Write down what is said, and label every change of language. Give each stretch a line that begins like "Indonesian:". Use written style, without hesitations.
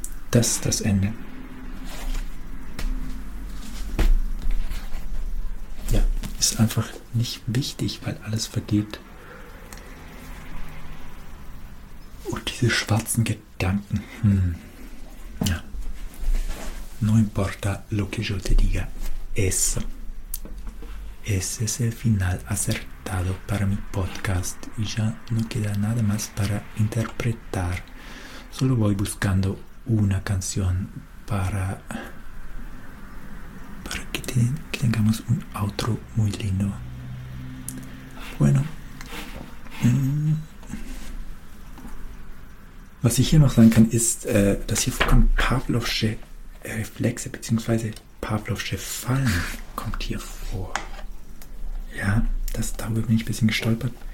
German: Das ist das Ende. Ja, ist einfach nicht wichtig, weil alles vergeht. Und diese schwarzen Gedanken. Ja.
Spanish: No importa lo que yo te diga, eso. Ese es el final acertado para mi podcast y ya no queda nada más para interpretar. Solo voy buscando una canción para que tengamos un outro muy lindo.
German: Bueno, was ich hier noch sagen kann, ist, dass hier vollkommen pavlovsche Reflexe bzw. Pavlovsche Fallen kommt hier vor. Ja, das, darüber bin ich ein bisschen gestolpert.